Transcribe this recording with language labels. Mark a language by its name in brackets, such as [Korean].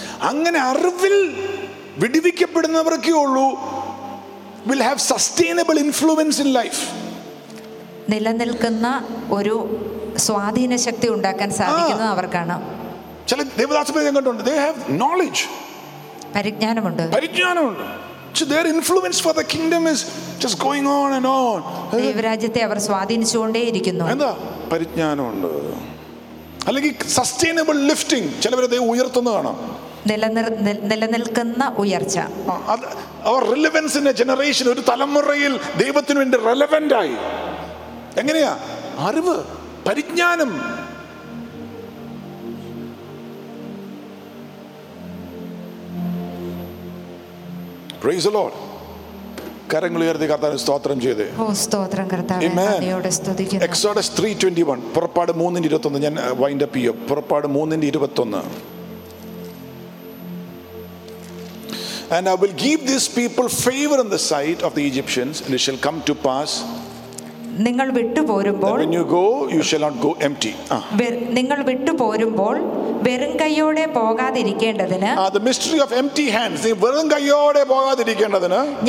[Malayalam] അങ്ങനെ അറിവിൽ വിടുവിക്കപ്പെടുന്നവർക്കേയുള്ളൂ [English] will have sustainable influence in life. [Malayalam] നിലനിൽക്കുന്ന ഒരു സ്വാധീന ശക്തി ഉണ്ടാക്കാൻ സാധിക്കുന്ന അവർക്കാണ്. ചില ദേവദാസിമാരെ ഞാൻ കണ്ടിട്ടുണ്ട്, [English] they have knowledge. [Malayalam] പരിജ്ഞാനമുണ്ട്. പരിജ്ഞാനമുണ്ട്. [English] So their influence for the kingdom is just going on and on. [Malayalam] ദൈവരാജ്യത്തെ അവർ സ്വാധീനിച്ചുകൊണ്ടേ ഇരിക്കുന്നു. എന്താ? പരിജ്ഞാനമുണ്ട്. [English] അല്ലെങ്കിൽ sustainable lifting. [Malayalam] ചിലവരെ ദൈവം ഉയർത്തുന്ന കാണാം. നിലനിൽക്കുന്ന ഉയർച്ച. [English] അവർ relevance in a generation. [Malayalam] ഒരു തലമുറയിൽ ദൈവത്തിന് വേണ്ടി റിലവന്റ് ആയി. എങ്ങനെയാ? അറിവ്, പരിജ്ഞാനം. [English] Praise the lord. [Malayalam] കരങ്ങൾ ഉയർത്തി കർത്താവിന് സ്തോത്രം ചെയ്തേ. ഓ സ്തോത്രം കർത്താവേ, ആമേൻ. ദൈവത്തെ സ്തുതിക്കുന്നു. എക്സോഡസ് 3:21. പുറപ്പാട് 3:21. ഞാൻ വൈൻഡ് അപ്പ് ചെയ്യും. പുറപ്പാട് 3:21. [English] And I will give these people favor in the sight of the Egyptians, and it shall come to pass [Malayalam] നിങ്ങൾ വിട്ടുപോരുമ്പോൾ [English] when you go you shall not go empty [Malayalam] നിങ്ങൾ വിട്ടുപോരുമ്പോൾ വെറും കൈയോടെ പോകാതിരിക്കേണ്ടതിന് [English] the mystery of empty hands [Malayalam] വെറും കൈയോടെ പോകാതിരിക്കേണ്ടതിന്